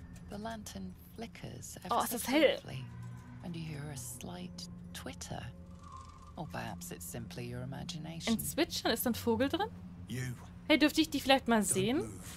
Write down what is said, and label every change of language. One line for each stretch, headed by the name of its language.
English: The lantern flickers ever oh,
German: es ist hell.
English: And you hear a slight twitter. Or perhaps it's simply your imagination.
German: In Switchern ist ein Vogel drin? You. Hey, dürfte ich die vielleicht mal sehen?